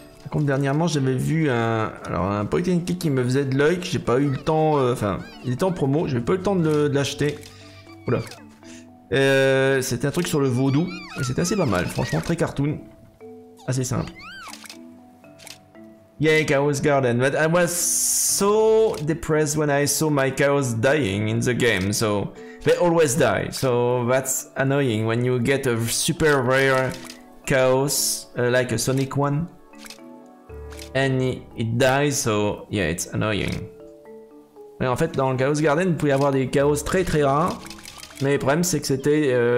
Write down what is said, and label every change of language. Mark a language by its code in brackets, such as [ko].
[fr] Comme dernièrement, j'avais vu un point and click qui me faisait de l'œil, que j'ai pas eu le temps, enfin, il était en promo, j'avais pas eu le temps de l'acheter. Oula. C'était un truc sur le vaudou, et c'était assez pas mal, franchement, très cartoon. Assez simple. [en] Yay, yeah, Chaos Garden, but I was so depressed when I saw my chaos dying in the game, so... They always die, so that's annoying when you get a super rare chaos, like a Sonic one. And it dies, so yeah, it's annoying. [fr] Mais en fait, dans le Chaos Garden, vous pouvez avoir des chaos très très rares. Mais le problème, c'est que c'était...